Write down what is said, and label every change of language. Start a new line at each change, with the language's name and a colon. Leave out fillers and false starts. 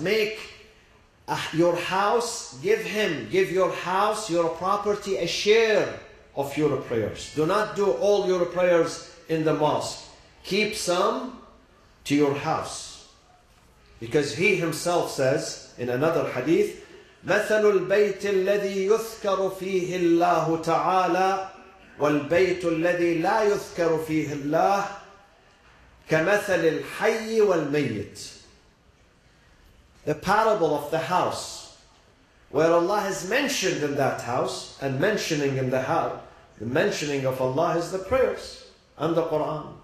English: Make your house, give your house, your property, a share of your prayers. Do not do all your prayers in the mosque. Keep some to your house. Because he himself says, in another hadith,
Arabic: مثل البيت الذي يذكر فيه الله تعالى والبيت الذي لا يذكر فيه الله كمثل الحي والميت.
English: The parable of the house where Allah is mentioned in that house, and mentioning in the house, the mentioning of Allah is the prayers and the Quran.